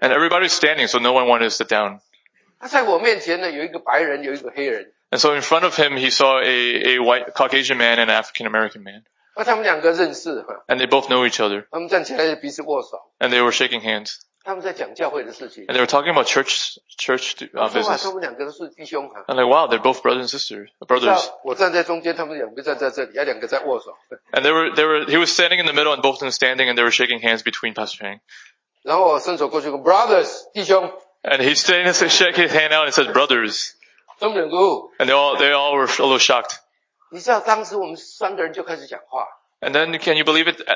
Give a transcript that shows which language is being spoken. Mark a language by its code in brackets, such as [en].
[en] And everybody's standing, so no one wanted to sit down. [zh] 他在我面前呢，有一个白人，有一个黑人。 [en] And so in front of him, he saw a white Caucasian man and an African American man. [zh] 他们两个认识。 [en] And they both know each other. [zh] 他们站起来彼此握手。 [en] And they were shaking hands. [zh] 他们在讲教会的事情。 [en] And they were talking about church business. [zh] 他们两个都是弟兄。 [en] And like, wow, they're both brothers and sisters, brothers. [zh] 我站在中间，他们两个站在这里，两个在握手。 [en] And he was standing in the middle and both of them standing and they were shaking hands between Pastor Chang. [zh] 然后我伸手过去说, brothers, 弟兄。 [en] And he shook his hand out and said, brothers. And they all were a little shocked. And then, can you believe it?